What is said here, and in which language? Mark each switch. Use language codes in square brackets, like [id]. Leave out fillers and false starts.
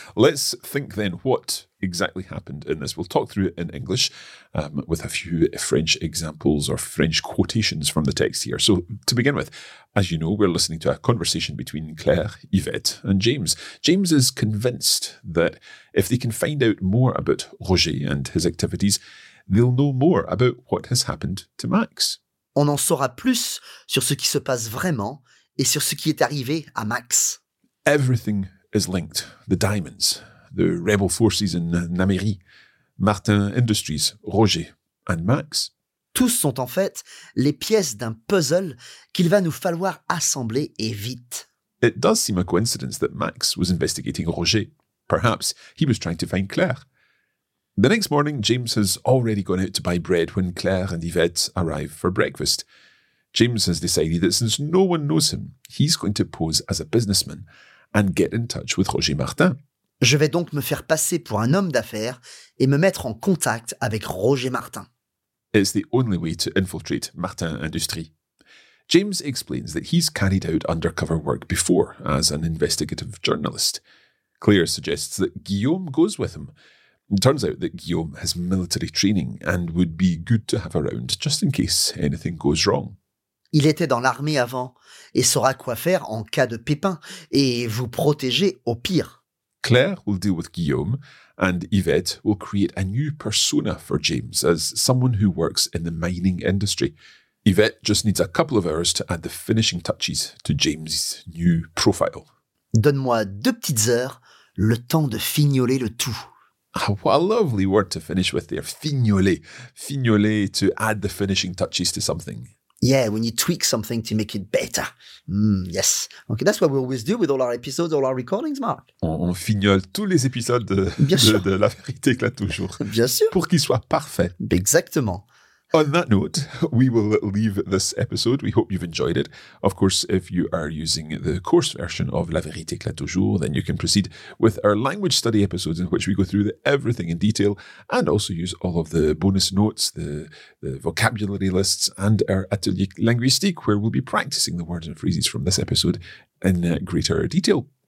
[en] Let's think then what exactly happened in this. We'll talk through it in English with a few French examples or French quotations from the text here. So to begin with, as you know, we're listening to a conversation between Claire, Yvette and James. James is convinced that if they can find out more about Roger and his activities, they'll know more about what has happened to Max. [fr] On en saura plus sur ce qui se passe vraiment et sur ce qui est arrivé à Max. [en] Everything is linked. The diamonds, the rebel forces in Namérie, Martin Industries, Roger and Max. [fr] Tous sont en fait les pièces d'un puzzle qu'il va nous falloir assembler et vite. [en] It does seem a coincidence that Max was investigating Roger. Perhaps he was trying to find Claire. The next morning, James has already gone out to buy bread when Claire and Yvette arrive for breakfast. James has decided that since no one knows him, he's going to pose as a businessman and get in touch with Roger Martin. [fr] Je vais donc me faire passer pour un homme d'affaires et me mettre en contact avec Roger Martin. [en] It's the only way to infiltrate Martin Industries. James explains that he's carried out undercover work before as an investigative journalist. Claire suggests that Guillaume goes with him. It turns out that Guillaume has military training and would be good to have around just in case anything goes wrong. [fr] Il était dans l'armée avant et saura quoi faire en cas de pépin et vous protéger au pire. [en] Claire will deal with Guillaume and Yvette will create a new persona for James as someone who works in the mining industry. Yvette just needs a couple of hours to add the finishing touches to James' new profile. [fr] Donne-moi deux petites heures, le temps de fignoler le tout. [en] What a lovely word to finish with there, fignoler. Fignoler, to add the finishing touches to something. Yeah, when you tweak something to make it better. Yes. Okay, that's what we always do with all our episodes, all our recordings, Mark. [fr] On fignole tous les épisodes de La Vérité éclate toujours. Bien sûr. Pour qu'ils soient parfaits. Exactement. [en] On that note, we will leave this episode. We hope you've enjoyed it. Of course, if you are using the course version of La Vérité éclate toujours, then you can proceed with our language study episodes in which we go through everything in detail and also use all of the bonus notes, the vocabulary lists, and our atelier linguistique, where we'll be practicing the words and phrases from this episode in greater detail.